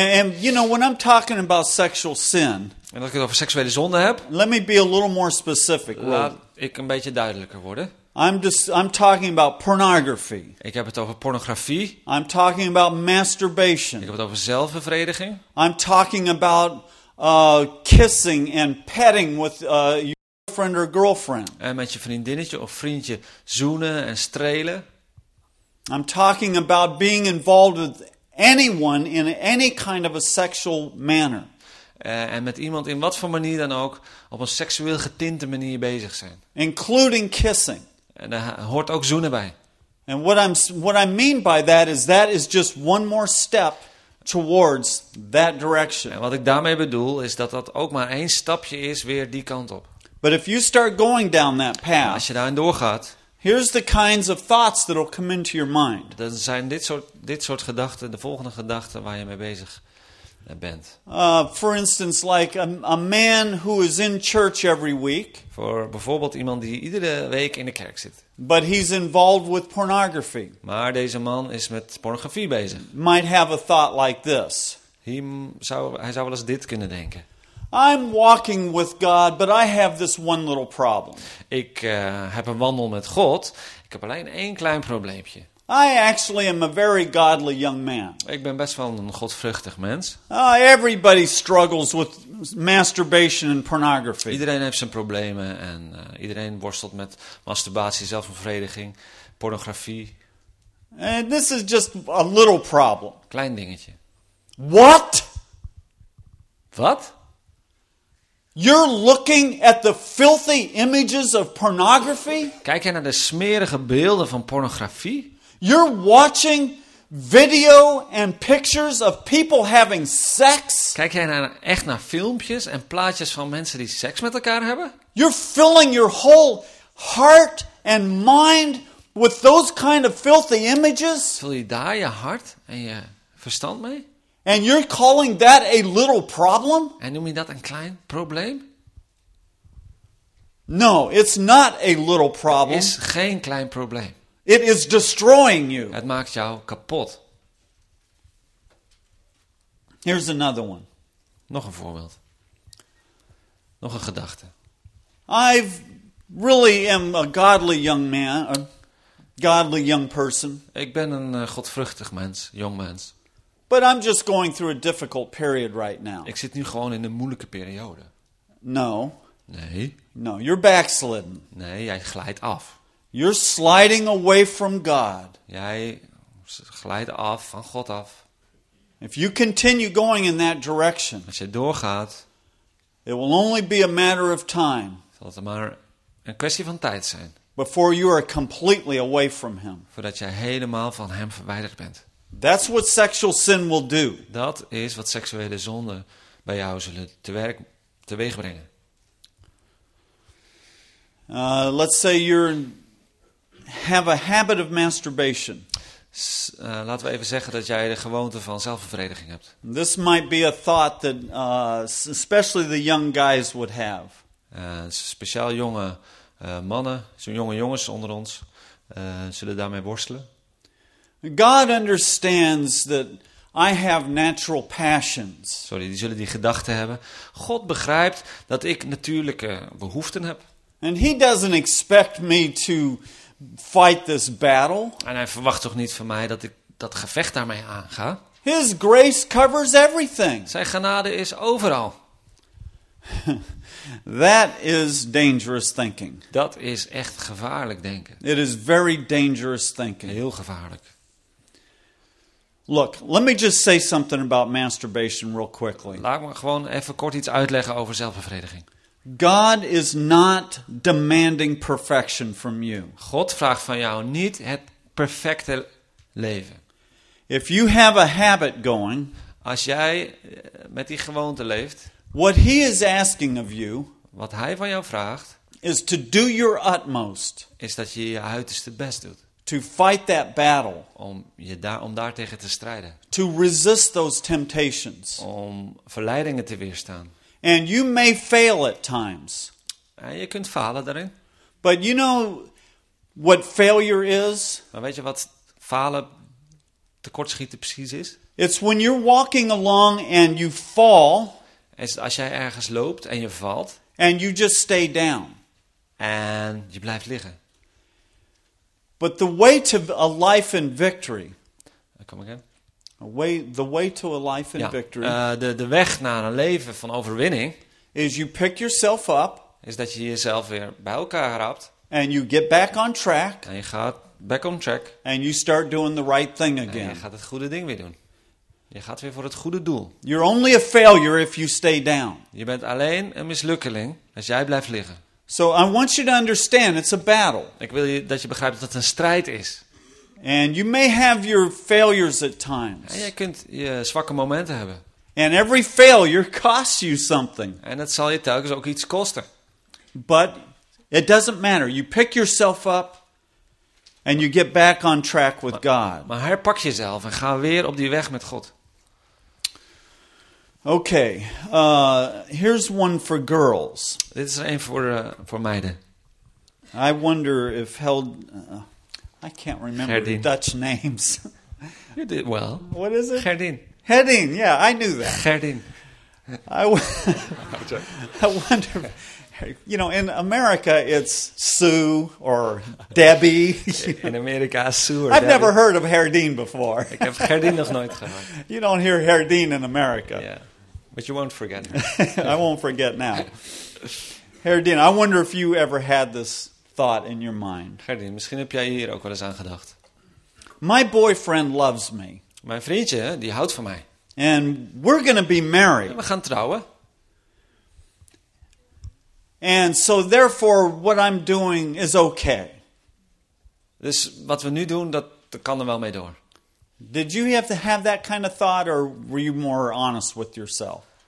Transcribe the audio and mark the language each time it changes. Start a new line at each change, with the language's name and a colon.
English: And you know when I'm talking about sexual sin.
Dutch: En als ik het over seksuele zonde heb.
English: Let me be a little more specific.
Dutch: Laat ik een beetje duidelijker worden.
English: I'm talking about pornography.
Dutch: Ik heb het over pornografie.
English: I'm talking about masturbation.
Dutch: Ik heb het over zelfbevrediging.
English: I'm talking about kissing and petting with your boyfriend or girlfriend.
Dutch: En met je vriendinnetje of vriendje zoenen en strelen.
English: I'm talking about being involved with anyone in any kind of a sexual manner.
Dutch: En met iemand in wat voor manier dan ook op een seksueel getinte manier bezig zijn.
English: Including kissing.
Dutch: En daar hoort ook zoenen bij.
English: And what I mean by that is just one more step towards that direction.
Dutch: En wat ik daarmee bedoel is dat dat ook maar één stapje is weer die kant op.
English: But if you start going down that path.
Dutch: Als je daarin doorgaat.
English: Here's the kinds of thoughts that will come into your mind.
Dutch: Dan zijn dit soort gedachten de volgende gedachten waar je mee bezig bent.
English: For instance, like a man who is in church every week.
Dutch: Voor bijvoorbeeld iemand die iedere week in de kerk zit.
English: But he's involved with pornography.
Dutch: Maar deze man is met pornografie bezig.
English: Might have a thought like this.
Dutch: Hij zou wel eens dit kunnen denken.
English: I'm walking with God, but I have this one little problem.
Dutch: Ik heb een wandel met God. Ik heb alleen één klein probleempje.
English: I actually am a very godly young man.
Dutch: Ik ben best wel een godvruchtig mens.
English: Everybody struggles with masturbation and pornography.
Dutch: Iedereen heeft zijn problemen en iedereen worstelt met masturbatie, zelfbevrediging, pornografie.
English: And this is just a little problem.
Dutch: Klein dingetje.
English: What?
Dutch: Wat?
English: You're looking at the filthy images of pornography?
Dutch: Kijk je naar de smerige beelden van pornografie?
English: You're watching video and pictures of people having sex?
Dutch: Kijk jij naar echt naar filmpjes en plaatjes van mensen die seks met elkaar hebben?
English: You're filling your whole heart and mind with those kind of filthy images?
Dutch: Vul je daar je hart en je verstand mee?
English: And you're calling that a little problem?
Dutch: En noem je dat een klein probleem?
English: No, it's not a little problem.
Dutch: Het is geen klein probleem.
English: It is destroying you.
Dutch: Het maakt jou kapot.
English: Here's another one.
Dutch: Nog een voorbeeld. Nog een gedachte.
English: I really am a godly young man, a godly young person.
Dutch: Ik ben een godvruchtig mens, jong mens.
English: But I'm just going through a difficult period right now.
Dutch: Ik zit nu gewoon in een moeilijke periode.
English: No.
Dutch: Nee.
English: No, you're backslidden.
Dutch: Nee, jij glijdt af.
English: You're sliding away from God.
Dutch: Jij glijdt af van God af.
English: If you continue going in that direction,
Dutch: als je doorgaat,
English: it will only be a matter of time.
Dutch: Zal het maar een kwestie van tijd zijn.
English: Before you are completely away from Him.
Dutch: Voordat jij helemaal van Hem verwijderd bent.
English: That's what sexual sin will do.
Dutch: Dat is wat seksuele zonden bij jou zullen teweeg brengen.
English: Let's say you're have a habit of masturbation.
Dutch: Laten we even zeggen dat jij de gewoonte van zelfbevrediging hebt.
English: This might be a thought that especially the young guys would have.
Dutch: Speciaal jonge mannen, zo'n jonge jongens onder ons, zullen daarmee worstelen.
English: God understands that I have natural passions.
Dutch: Sorry, die zullen die gedachten hebben. God begrijpt dat ik natuurlijke behoeften heb.
English: And he doesn't expect me to fight this battle.
Dutch: En hij verwacht toch niet van mij dat ik dat gevecht daarmee aanga.
English: His grace covers everything.
Dutch: Zijn genade is overal.
English: That is dangerous thinking.
Dutch: Dat is echt gevaarlijk denken.
English: It is very dangerous thinking.
Dutch: Heel gevaarlijk.
English: Look, let me just say something about masturbation real quickly.
Dutch: Laat me gewoon even kort iets uitleggen over zelfbevrediging.
English: God is not demanding perfection from you.
Dutch: God vraagt van jou niet het perfecte leven.
English: If you have a habit going,
Dutch: als jij met die gewoonte leeft,
English: what he is asking of you,
Dutch: wat hij van jou vraagt,
English: is to do your utmost,
Dutch: is dat je je uiterste best doet.
English: To fight that battle,
Dutch: om daar tegen te strijden.
English: To resist those temptations,
Dutch: om verleidingen te weerstaan.
English: And you may fail at times.
Dutch: En je kunt falen daarin.
English: But you know what failure is?
Dutch: Maar weet je wat falen tekortschieten precies is?
English: It's when you're walking along and you fall.
Dutch: Is als jij ergens loopt en je valt.
English: And you just stay down.
Dutch: En je blijft liggen.
English: But the way to a life in victory. Come again. The way to a life in victory.
Dutch: De weg naar een leven van overwinning
English: is you pick yourself up.
Dutch: Is dat je jezelf weer bij elkaar raapt.
English: And you get back on track.
Dutch: En je gaat
English: back on track. And you start doing the right thing again.
Dutch: En je gaat het goede ding weer doen. Je gaat weer voor het goede doel.
English: You're only a failure if you stay down.
Dutch: Je bent alleen een mislukkeling als jij blijft liggen.
English: So I want you to understand it's a battle.
Dutch: Ik wil dat je begrijpt dat het een strijd is.
English: And you may have your failures at times.
Dutch: En jij kunt je zwakke momenten hebben.
English: And every failure costs you something.
Dutch: En dat zal je telkens ook iets kosten.
English: But it doesn't matter. You pick yourself up and you get back on track with God.
Dutch: Maar herpak jezelf en ga weer op die weg met God.
English: Okay, here's one for girls.
Dutch: Dit is er een voor meiden.
English: I wonder if held. I can't remember Gerdin. The Dutch names. You did well. What is it? Gerdin. Hedin, yeah, I knew that. Gerdin. I wonder if You know, in America it's Sue or Debbie.
Dutch: In Amerika is Sue or
English: I've Debbie. I've never heard of Gerdien before.
Dutch: Ik heb Gerdien nog nooit gehoord.
English: You don't hear Gerdien in America. Yeah, but you won't forget. I won't forget now. Gerdien, I wonder if you ever had this thought in your mind.
Dutch: Gerdien, misschien heb jij hier ook wel eens aan gedacht.
English: My boyfriend loves me.
Dutch: Mijn vriendje, die houdt van mij.
English: And we're gonna be married.
Dutch: We gaan trouwen.
English: And so therefore what I'm doing is okay.
Dutch: Dus wat we nu doen, dat kan er wel mee door.
English: Did you have to have that kind of thought or were you more honest with yourself?